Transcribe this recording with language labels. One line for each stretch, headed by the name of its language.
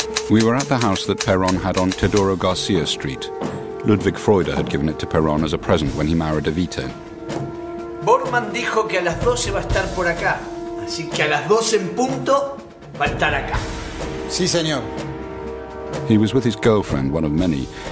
English: We were at the house that Perón had on Teodoro García Street. Ludwig Freuder had given it to Perón as a present when he married Evita.
Spanish: Borman dijo que a las 12 va a estar por acá. Así que a las 12 en punto va a estar acá. Sí, señor.
English: He was with his girlfriend, one of many.